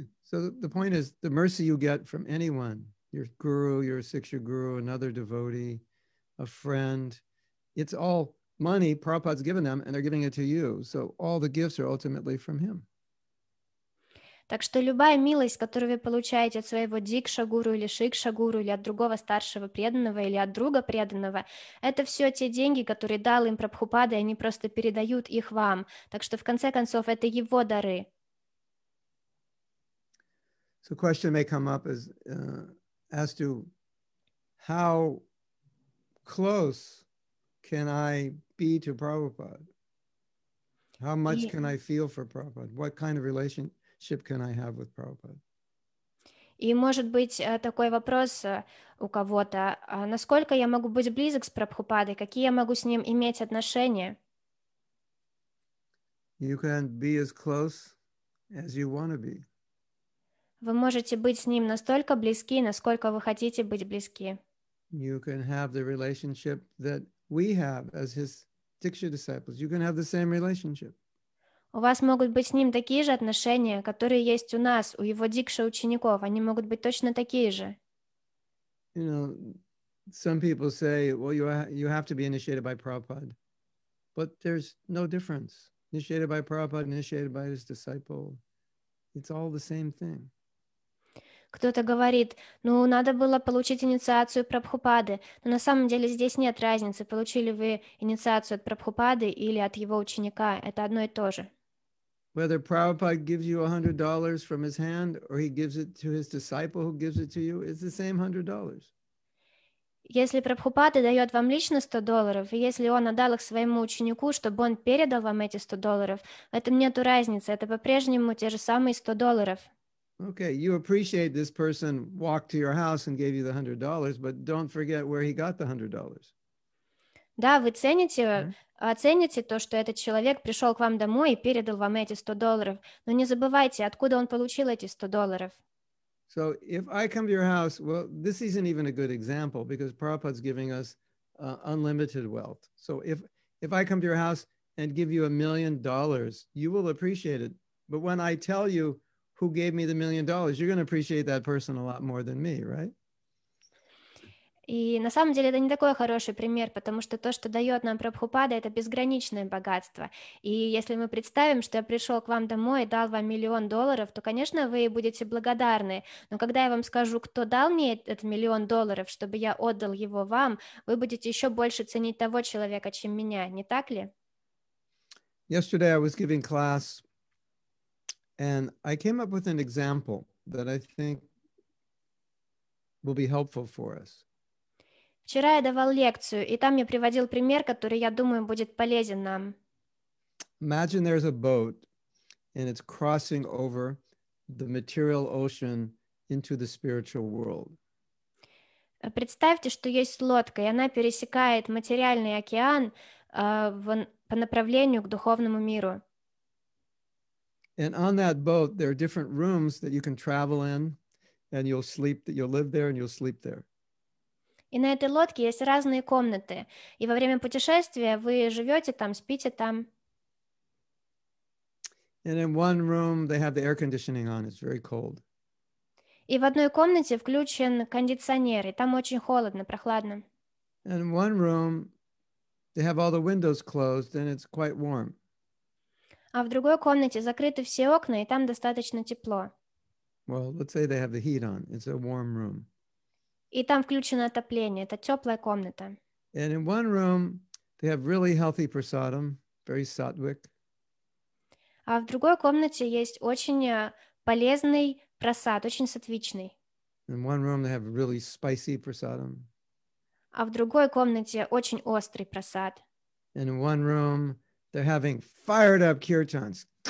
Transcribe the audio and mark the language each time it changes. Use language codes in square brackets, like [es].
[en] So the point is, the mercy you get from anyone, your guru, your siksha guru, another devotee, a friend, it's all money Prabhupada's given them, and they're giving it to you. So all the gifts are ultimately from him. [ru] Так что любая милость, которую вы получаете от своего дикша-гуру или шикша-гуру или от другого старшего преданного или от друга преданного, это все те деньги, которые дал им Прабхупада, и они просто передают их вам. Так что в конце концов это его дары. [en] So question may come up as to how close can I be to Prabhupada? How much can I feel for Prabhupada? What kind of relationship can I have with Prabhupada? [ru] И может быть такой вопрос у кого-то: насколько я могу быть близок с Прабхупадой? Какие я могу с ним иметь отношения? [en] You can be as close as you want to be. [ru] Вы можете быть с ним настолько близки, насколько вы хотите быть близки. [en] You can have the relationship that we have as his Diksha disciples. You can have the same relationship. [ru] У вас могут быть с ним такие же отношения, которые есть у нас, у его дикша учеников. Они могут быть точно такие же. [en] You know, some people say, well, you have to be initiated by Prabhupada. But there's no difference. Initiated by Prabhupada, initiated by his disciple. It's all the same thing. [ru] Кто-то говорит, ну, надо было получить инициацию Прабхупады. Но на самом деле здесь нет разницы, получили вы инициацию от Прабхупады или от его ученика. Это одно и то же. [en] Whether Prabhupada gives you $100 from his hand or he gives it to his disciple who gives it to you, it's the same $100. [ru] Если Прабхупада дает вам лично $100, и если он отдал их своему ученику, чтобы он передал вам эти $100, в этом нет разницы, это по-прежнему те же самые $100. [en] Okay, you appreciate this person walked to your house and gave you the $100, but don't forget where he got the $100. [ru] Да, вы цените, okay. Оцените то, что этот человек пришел к вам домой и передал вам эти $100, но не забывайте, откуда он получил эти $100. [en] So if I come to your house, well, this isn't even a good example because Prabhupada's giving us unlimited wealth. So if I come to your house and give you $1,000,000, you will appreciate it. But when I tell you who gave me the $1,000,000, you're going to appreciate that person a lot more than me, right? [ru] И на самом деле это не такой хороший пример, потому что то, что дает нам Прабхупада, это безграничное богатство. И если мы представим, что я пришел к вам домой и дал вам $1,000,000, то, конечно, вы будете благодарны. Но когда я вам скажу, кто дал мне этот $1,000,000, чтобы я отдал его вам, вы будете еще больше ценить того человека, чем меня, не так ли? [en] Yesterday I was giving class, and I came up with an example that I think will be helpful for us. [ru] Вчера я давал лекцию, и там я приводил пример, который, я думаю, будет полезен нам. [en] Imagine there's a boat, and it's crossing over the material ocean into the spiritual world. [ru] Представьте, что есть лодка, и она пересекает материальный океан по направлению к духовному миру. [en] And on that boat, there are different rooms that you can travel in, and you'll sleep, that you'll live there, and you'll sleep there. [ru] И на этой лодке есть разные комнаты. И во время путешествия вы живете там, спите там. [en] And in one room they have the air conditioning on. It's very cold. [ru] И в одной комнате включен кондиционер, и там очень холодно, прохладно. [en] And in one room they have all the windows closed, and it's quite warm. [ru] А в другой комнате закрыты все окна, и там достаточно тепло. [en] Well, let's say they have the heat on. It's a warm room. [ru] И там включено отопление, это теплая комната. [en] And in one room, they have really healthy prasadam, very sattvic. [ru] А в другой комнате есть очень полезный прасад, очень сатвичный. [en] In one room, they have really spicy prasadam. [ru] А в другой комнате очень острый прасад. [en] And in one room, they're having fired up kirtans.